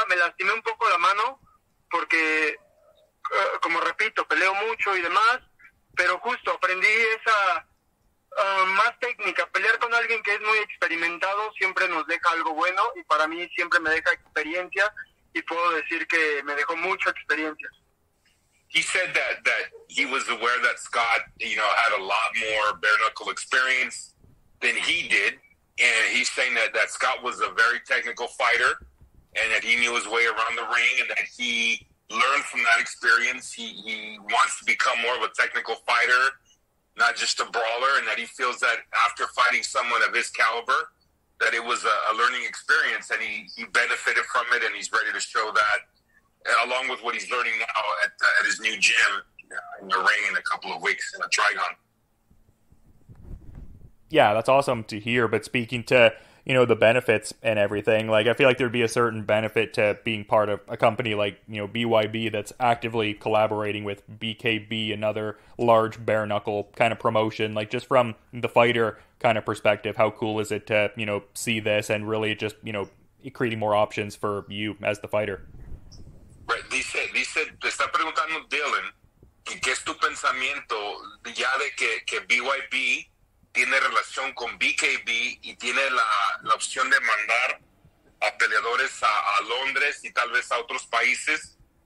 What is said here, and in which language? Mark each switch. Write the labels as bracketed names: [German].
[Spanish] Me lastimé un poco la mano porque, como repito, peleo mucho y demás. Pero justo aprendí esa... más técnica, pelear con alguien que es muy experimentado siempre nos deja algo bueno y para mí siempre me deja experiencia y puedo decir que me dejó mucha experiencia. [English] He said that he was aware that Scott, you know, had a lot more bare knuckle experience than he did, and he's saying that Scott was a very technical fighter and that he knew his way around the ring and that he learned from that experience. He wants to become more of a technical fighter, not just a brawler, and that he feels that after fighting someone of his caliber, that it was a learning experience, and he benefited from it, and he's ready to show that, along with what he's learning now at his new gym in the ring in a couple of weeks in a Trigon. Yeah, that's awesome to hear. But speaking to, you know, the benefits and everything, like, I feel like there'd be a certain benefit to being part of a company like, you know, BYB that's actively collaborating with BKB, another large bare knuckle kind of promotion. Like, just from the fighter kind of perspective, how cool is it to, you know, see this and really just, you know, creating more options for you as the fighter? Right. [Spanish] Dice, te está preguntando Dylan, ¿qué es tu pensamiento ya de que BYB tiene relación con BKB y tiene la opción de mandar a peleadores a Londres y tal vez a otros países?